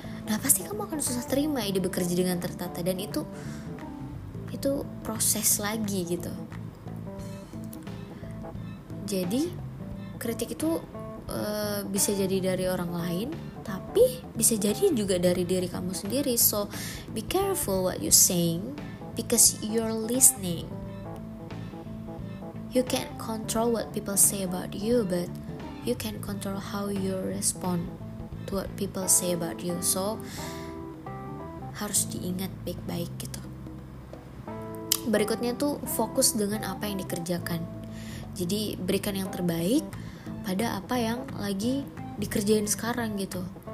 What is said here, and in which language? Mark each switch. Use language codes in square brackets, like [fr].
[id] Nah, pasti kamu akan susah terima ide bekerja dengan tertata, dan itu proses lagi gitu. Jadi kritik itu bisa jadi dari orang lain, tapi bisa jadi juga dari diri kamu sendiri. [en] So be careful what you saying, because you're listening. You can't control what people say about you, but you can control how you respond to what people say about you. [id] So harus diingat baik-baik gitu. Berikutnya tuh fokus dengan apa yang dikerjakan. Jadi berikan yang terbaik pada apa yang lagi dikerjain sekarang gitu.